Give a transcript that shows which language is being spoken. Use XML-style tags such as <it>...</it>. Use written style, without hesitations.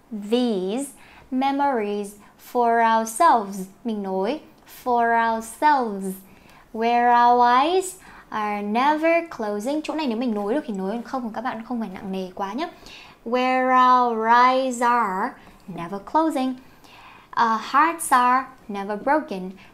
<en>These memories for ourselves.</en> <vi>Mình nói</vi> <en>for ourselves. Where our eyes are never closing.</en> <vi>Chỗ này nếu mình nói được thì nói, không các bạn không phải nặng nề quá nhé.</vi> <en>Where our eyes are never closing. Hearts are never broken.</en>